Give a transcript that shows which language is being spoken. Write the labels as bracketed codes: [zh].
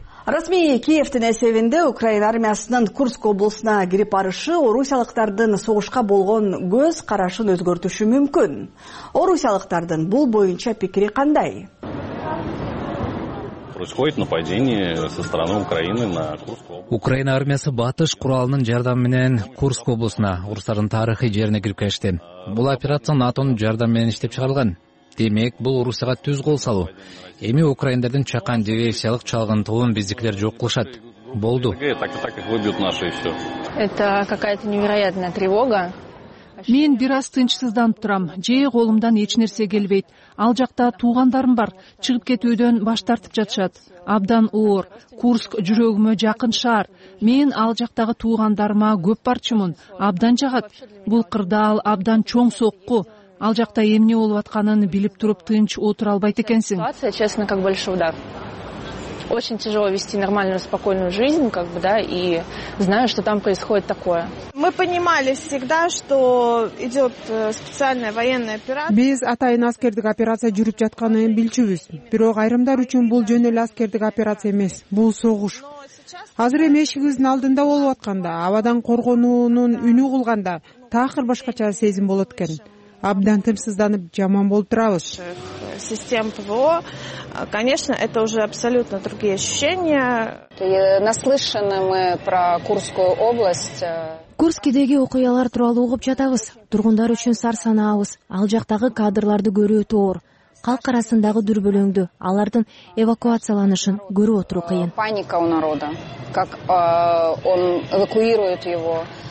[ky] Расмий Киевтин эсебинде Украина армиясынын Курск облусуна кирип барышы орусиялыктардын согушка болгон көз карашын өзгөртүшү мүмкүн. Орусиялыктардын бул боюнча пикири кандай? [ru] Происходит нападение со стороны Украины на Курск область. [ky] Украина армиясы батыш куралынын жардамы менен Курск облусуна орустардын тарыхый жерине кирип келишти. Бул операция НАТОнун жардамы менен иштеп чыгарылган. Демек, бул Орусияга түз кол салуу. Эми украиндардын чакан диверсиялык чалгынтуун биздикилер жок кылышат. Болду. [ru] Это какая-то невероятная тревога. [ky] Мен бир аз тынчсызданып турам. Жээ колумдан эч нерсе келбейт. Ал жакта туугандарым бар. Чыгып кетүүдөн баш тартып жатышат. Абдан оор. Курск жүрөгүмө жакын шаар. Мен ал жактагы туугандарыма көп барчумун. Абдан жагат. Бул кырдаал абдан чоң сокку. Ал жакта эмне болуп атканын билип туруп тынч отура албайт экенсиң. [ru] Ситуация, честно, как большой удар. Очень тяжело вести нормальную, спокойную жизнь, как бы, да, и знаю, что там происходит такое. Мы понимали всегда, что идет специальная военная операция. [ky] Биз атайын аскердик операция жүрүп жатканын билчүбүз. Бирок айрымдар үчүн бул жөн эле аскердик операция эмес, бул согуш. Азыр эми эшигибиздин алдында болуп атканда, абадан коргонуунун үнү кылганда, такыр башкача сезим болот экен. Абдан тынчсызданып жаман болуп турабыз. [ru] Систем ПВО, конечно, это уже абсолютно другие ощущения. Наслышаны мы про Курскую область. [ky] Курскидеги окуялар тууралуу угуп жатабыз. Тургундар үчүн сарсанабыз. Ал жактагы кадрларды көрүү оор. Калк арасындагы дүрбөлөңдү, алардын эвакуацияланышын көрүп отуруу кыйын. [ru] Паника у народа. Как он эвакуирует его.